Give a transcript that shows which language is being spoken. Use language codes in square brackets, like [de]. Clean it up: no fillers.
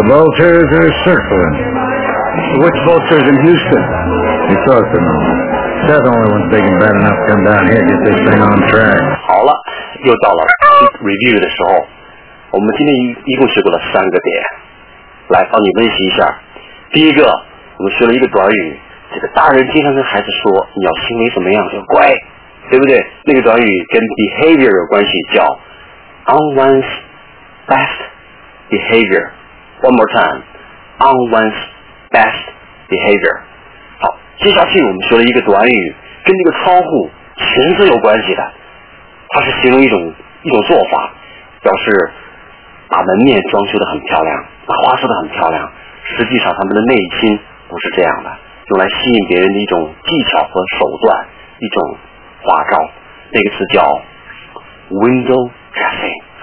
[en] The vultures are circling. Which vultures in Houston? You talk to them. They're the only ones big and bad enough to come down here and get this thing on track. [zh] 好了，又到了 review 的时候。我们今天一共学过了三个点。来，帮你温习一下。第一个，我们学了一个短语，这个大人经常跟孩子说，你要行为怎么样，要乖，对不对？那个短语跟 behavior 有关系，叫 [en] on one's best behavior。 One more time, on one's best behavior。 [zh] 好，接下去我们学了一个短语，跟这个窗户裙子有关系的，它是形容一种做法，表示把门面装修得很漂亮，把花色得很漂亮，实际上他们的内心不是这样的，用来吸引别人的一种技巧和手段，一种花招，那个词叫 window dressing。